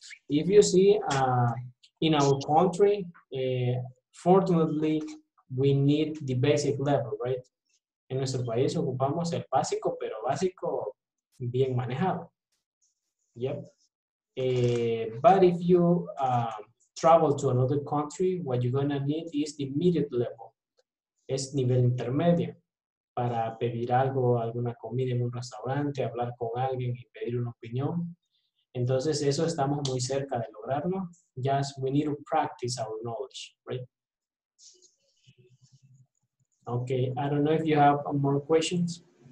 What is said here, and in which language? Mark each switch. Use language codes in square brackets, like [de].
[en] If you see, in our country, fortunately, we need the basic level, right? [es] En nuestro país ocupamos el básico, pero básico bien manejado. Yep. [en] But if you travel to another country, what you're going to need is the immediate level. [es] Es nivel intermedio. Para pedir algo, alguna comida en un restaurante, hablar con alguien y pedir una opinión. Entonces, eso estamos muy cerca de lograrlo. [en] Just we need to practice our knowledge, right? Okay, I don't know if you have more questions.